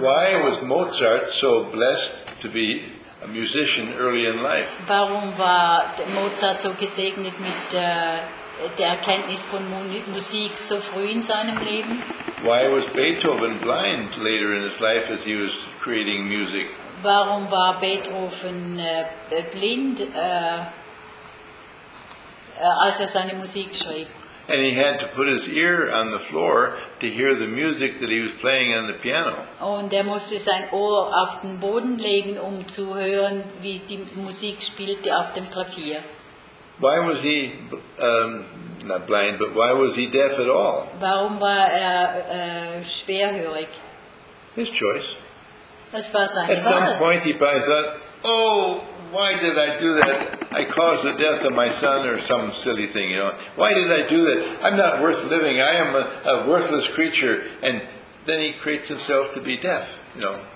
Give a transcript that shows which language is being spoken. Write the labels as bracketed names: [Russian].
[English] Why was Mozart so blessed to be a musician early in life? [German] Warum war Mozart so gesegnet mit der Erkenntnis von Musik so früh in seinem Leben? [English] Why was Beethoven blind later in his life as he was creating music? [German] Warum war Beethoven blind, als er seine Musik schrieb? [English] And he had to put his ear on the floor to hear the music that he was playing on the piano. [German] Und er musste sein Ohr auf den Boden legen, um zu hören, wie die Musik spielte auf dem Klavier. [English] Why was he not blind, but why was he deaf at all? [German] Warum war er schwerhörig? [English] His choice. [German] Das war seine [English] At some [German] Wahl. [English] Point he probably thought, oh, why did I do that? I caused the death of my son or some silly thing, you know. Why did I do that? I'm not worth living. I am a worthless creature. And then he creates himself to be deaf, you know.